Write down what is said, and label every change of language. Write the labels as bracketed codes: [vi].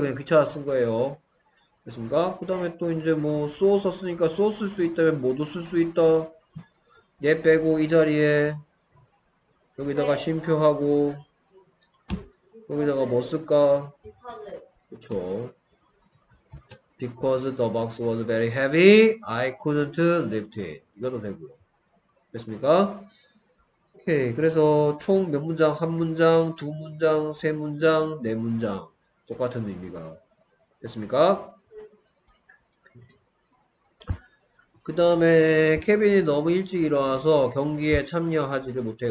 [ko] 그냥 귀찮아 쓴 거예요. 됐습니까? 그 다음에 또 이제 뭐 소 썼으니까 소 쓸 수 있다면 모두 쓸 수 있다. 얘 빼고 이 자리에 여기다가 쉼표하고 여기다가 뭐 쓸까? 그쵸. [en] Because the box was very heavy, I couldn't lift it. [ko] 이것도 되고요. 됐습니까? 오케이. 그래서 총 몇 문장? 한 문장, 두 문장, 세 문장, 네 문장. 똑같은 의미가 됐습니까? 그 다음에 케빈이 너무 일찍 일어나서 경기에 참여하지를 못해.